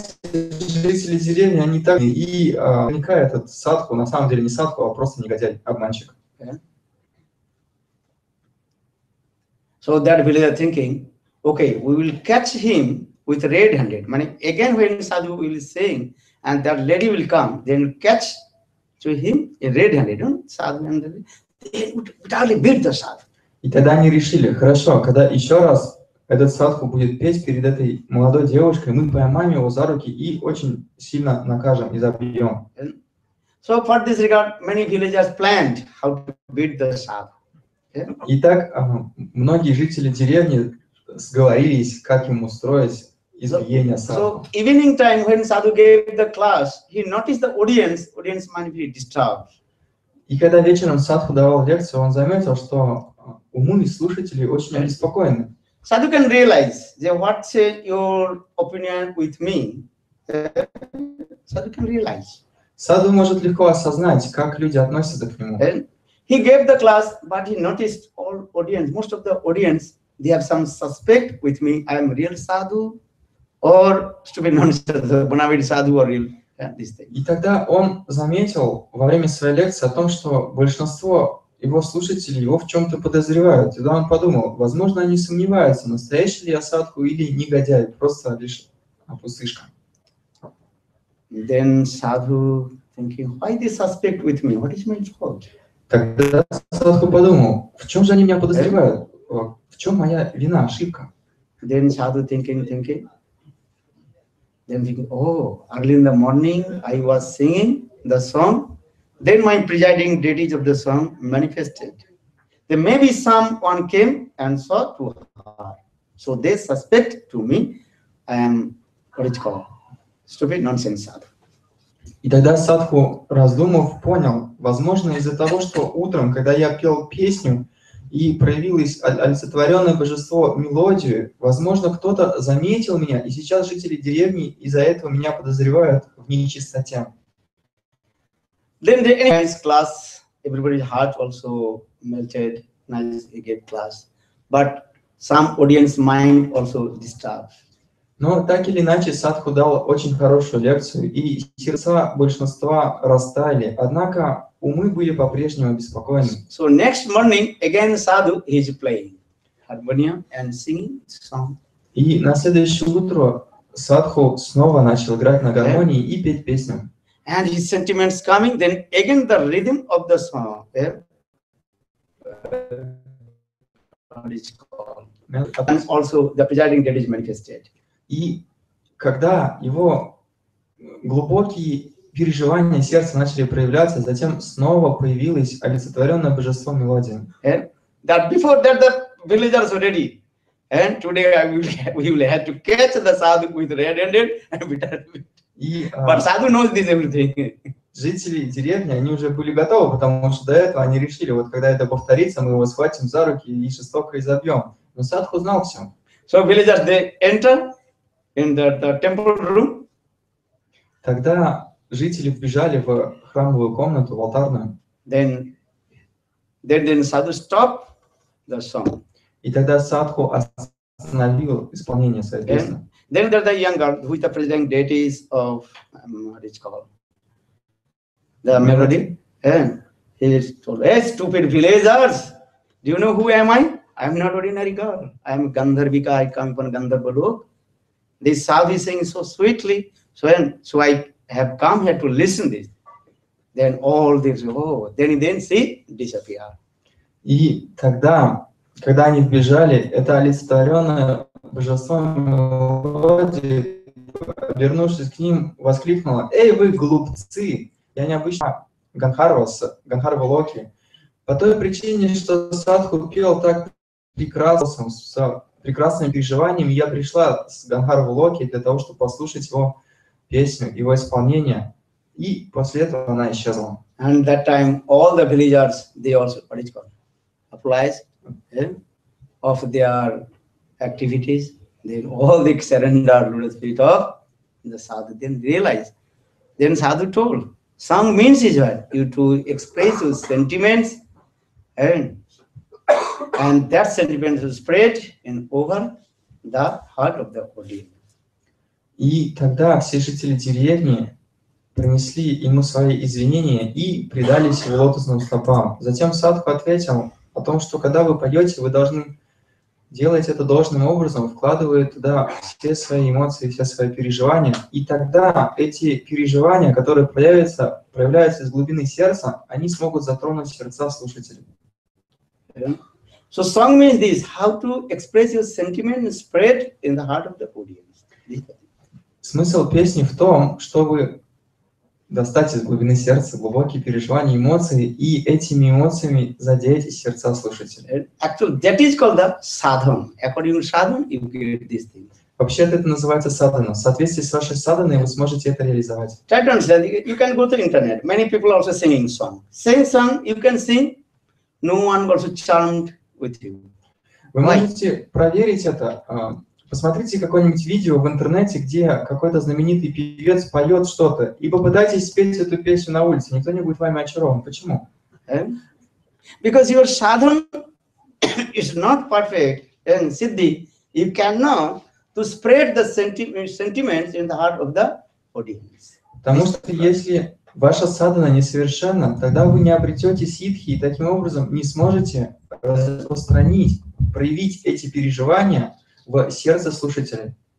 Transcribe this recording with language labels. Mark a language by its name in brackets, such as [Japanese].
[Russian] Жители деревни, они так и вникают этот садху, на самом деле не садху, а просто негодяй, обманщик. [English] So that villager thinking, okay, we will catch him with red handed. Meaning, again when sadhu will sing and that lady will come, then catch to him in red handed, sadhu and the lady, they would totally beat the sadhu. [Russian] И тогда они решили, хорошо, когда еще раз этот садху будет петь перед этой молодой девушкой, мы поймаем его за руки и очень сильно накажем и забьем. [English] So for this regard, many villagers planned how to beat the sadhu. [Russian] И так многие жители деревни сговорились, как им устроить избиение садху. [English] So evening time, when sadhu gave the class, he noticed the audience might be disturbed. [Russian] И когда вечером садху давал лекцию, он заметил, что умы и слушатели очень обеспокоены. [English] Sadhu can realize that what your opinion with me. Sadhu can realize. [Russian] Sadhu может легко осознать, как люди относятся к нему. [English] And he gave the class, but he noticed all audience, most of the audience, they have some suspect with me. I am real sadhu, or stupid nonsense, bonafide sadhu or real. [Russian] И тогда он заметил во время своей лекции о том, что большинство его слушатели его в чем-то подозревают. И тогда он подумал, возможно, они сомневаются, настоящий ли я садху или негодяй, просто лишь пустышка. [English] Then sadhu thinking, why they suspect with me? What is my fault? [Russian] Тогда садху подумал, в чем же они меня подозревают? В чем моя вина, ошибка? [English] Then sadhu thinking. Then thinking, oh, early in the morning I was singing the song. Then my presiding deities of the song manifested. Then maybe someone came and saw to her. So they suspect to me, what it's called, stupid nonsense sadhu. [Russian] И тогда садху, раздумав, понял, возможно, из-за того, что утром, когда я пел песню и проявилось олицетворенное божество мелодию, возможно, кто-то заметил меня, и сейчас жители деревни из-за этого меня подозревают в нечистоте. [English] Then the nice class, everybody's heart also melted, nice again class. But some audience mind also disturbed. [Russian] Но так или иначе, садху дал очень хорошую лекцию, и сердца большинства растаяли. Однако умы были по-прежнему обеспокоены. [English] So next morning, again sadhu is playing harmonium and singing song. [Russian] И на следующее утро садху снова начал играть на гармонии и петь песню. [English] And his sentiments coming, then again the rhythm of the song. And also the presiding deity is manifested. [Russian] И когда его глубокие переживания сердца начали проявляться, затем снова появилось олицетворенное божество мелодия. [English] And that before that the villagers were ready. And today we will have to catch the sadhu with red-handed and bitter. But sadhu knows this everything. [Russian] жители деревни, они уже были готовы, потому что до этого они решили, вот когда это повторится, мы его схватим за руки и жестоко изобьем. Но садху знал все. [English] So villagers, they enter in the temple room. [Russian] Тогда жители вбежали в храмовую комнату, в алтарную. [English] Then sadhu stopped the song. [Russian] И тогда садху остановил исполнение своей песни. [English] Then there the young girl who is the present deity of what it's called the melody. And he told, "Hey, stupid villagers, do you know who am I? I am not ordinary girl. I am Gandharvika. I come from Gandharva Lok. This sadhu is singing so sweetly. So I have come here to listen this. Then all this, then see disappear." [Russian] И тогда, когда они вбежали, это олицетворенное божество мелодии, вернувшись к ним, воскликнуло: "Эй, вы глупцы! Я необычно Гандхарва Локи. По той причине, что садху пел так прекрасным переживанием, я пришла с Гандхарва Локи для того, чтобы послушать его песню, его исполнение." И после этого она исчезла. [English] And that time all the villagers, they also, what is called, applies, yeah, of their activities, then all the surrender to the feet of the sadhu, then realize. Then sadhu told, "Song means is what? You to express your sentiments, and that sentiment will spread in over the heart of the audience." [Russian] И тогда все жители деревни принесли ему свои извинения и предались его лотосным стопам. Затем садху ответил о том, что когда вы поете, вы должны делать это должным образом, вкладывая туда все свои эмоции, все свои переживания. И тогда эти переживания, которые проявляются из глубины сердца, они смогут затронуть сердца слушателей. [English] So song means this, how to express your sentiment and spread in the heart of the audience. [Russian] Смысл песни в том, чтобы достать из глубины сердца глубокие переживания, эмоции, и этими эмоциями задеть сердца слушателей. Вообще это называется садхана. В соответствии с вашей садханой вы сможете это реализовать. [English] Try to understand. You can go to internet. Many people also singing song. Same song you can sing. No one also charmed with you. [Russian] Вы можете проверить это. Посмотрите какое-нибудь видео в интернете, где какой-то знаменитый певец поет что-то, и попытайтесь спеть эту песню на улице. Никто не будет вами очарован. Почему? [English] Because your sadhana is not perfect and siddhi, you cannot to spread the sentiments in the heart of the audience. [Russian] Потому что если ваша садхана несовершенна, тогда вы не обретете сиддхи и таким образом не сможете распространить, проявить эти переживания в сердце слушателя.